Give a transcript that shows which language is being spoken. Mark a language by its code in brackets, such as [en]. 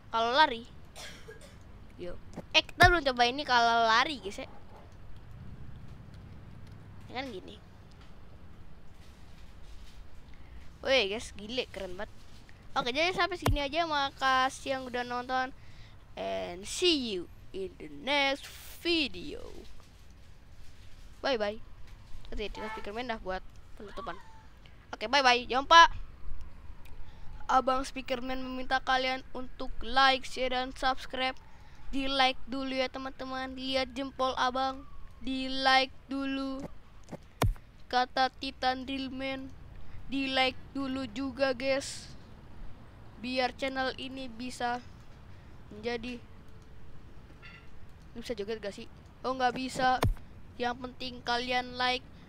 [id] Kalau lari yo. Kita belum coba ini kalau lari guys ya. Kan gini. Woi guys, gile keren banget. Oke, jadi sampai segini aja. Makasih yang udah nonton. [en] And see you in the next video. [id] Bye-bye. Nanti kita speaker main dah buat penutupan. Oke, bye-bye. Jangan lupa Abang Speakerman meminta kalian untuk like, share, dan subscribe. Di like dulu ya teman-teman. Lihat jempol Abang. Di like dulu. Kata Titan Drillman. Di like dulu juga guys. Biar channel ini bisa menjadi. Bisa joget gak sih? Oh gak bisa. Yang penting kalian like.